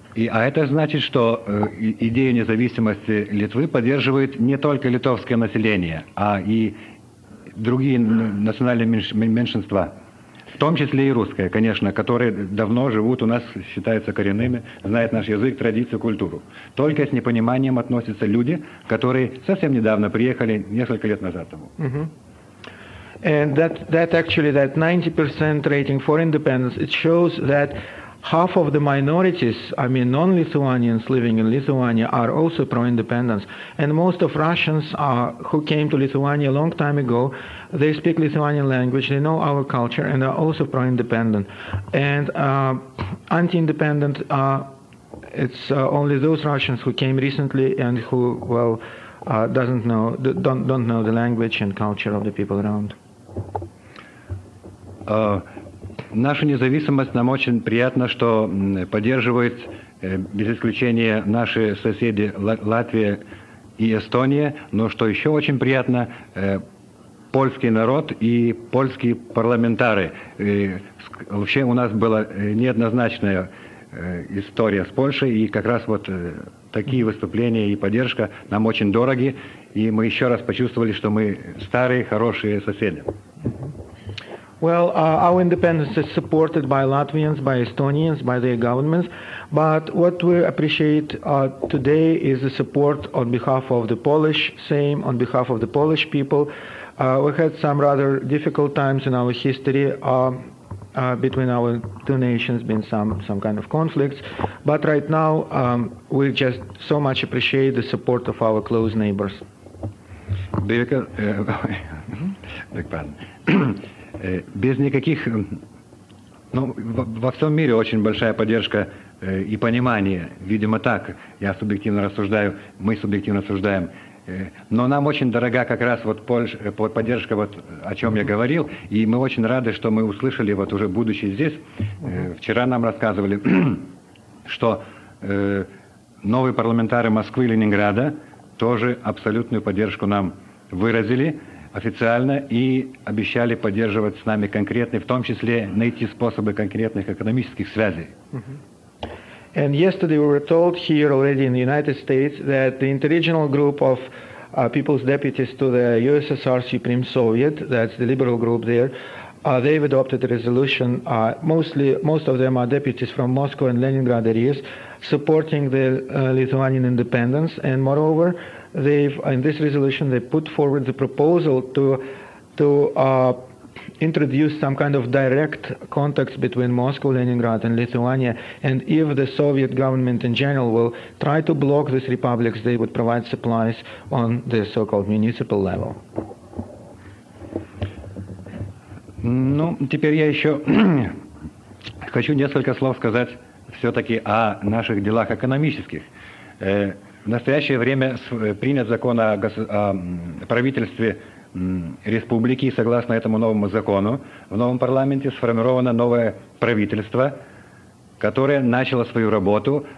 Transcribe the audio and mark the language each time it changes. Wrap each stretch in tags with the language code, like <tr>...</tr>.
<ru>А это значит, что идею независимости Литвы поддерживает не только литовское население, а и другие национальные меньшинства. В том числе и русская, конечно, которые давно живут у нас, считаются коренными, знают наш язык, традицию, культуру. Только с непониманием относятся люди, которые совсем недавно приехали, несколько лет назад тому. Mm-hmm.</ru> <en>And that actually, that 90% rating for independence, it shows that half of the minorities, I mean non-Lithuanians living in Lithuania, are also pro-independence. And most of Russians are, who came to Lithuania a long time ago, they speak Lithuanian language, they know our culture, and are also pro-independent. And anti-independent, it's only those Russians who came recently and who, well, don't know the language and culture of the people around.</en> <ru>Наша независимость, нам очень приятно, что поддерживают без исключения наши соседи Латвия и Эстония, но что еще очень приятно, польский народ и польские парламентары. И вообще у нас была неоднозначная история с Польшей, и как раз вот такие выступления и поддержка нам очень дороги, и мы еще раз почувствовали, что мы старые, хорошие соседи.</ru> <en>Well, our independence is supported by Latvians, by Estonians, by their governments, but what we appreciate today is the support on behalf of the Polish, same on behalf of the Polish people. We had some rather difficult times in our history between our two nations, been some kind of conflicts, but right now we just so much appreciate the support of our close neighbors. Big pardon.</en> <ru>Без никаких, ну, во всем мире очень большая поддержка и понимание, видимо, так, я субъективно рассуждаю, мы субъективно рассуждаем, но нам очень дорога как раз вот поддержка, вот о чем я говорил, и мы очень рады, что мы услышали, вот уже будучи здесь, вчера нам рассказывали, что новые парламентары Москвы и Ленинграда тоже абсолютную поддержку нам выразили, официально, и обещали поддерживать с нами конкретно, в том числе найти способы конкретных экономических связей. Mm-hmm.</ru> <en>And yesterday we were told here already in the United States that the interregional group of people's deputies to the USSR Supreme Soviet, that's the liberal group there, they've adopted a resolution, most of them are deputies from Moscow and Leningrad areas, supporting the Lithuanian independence, and moreover, they've, in this resolution, they put forward the proposal to introduce some kind of direct contacts between Moscow, Leningrad, and Lithuania. And if the Soviet government in general will try to block these republics, they would provide supplies on the so-called municipal level.</en> <ru>Ну, теперь я еще хочу несколько слов сказать все-таки о наших делах экономических. В настоящее время принят закон о правительстве республики, и согласно этому новому закону, в новом парламенте сформировано новое правительство, которое начало свою работу.</ru>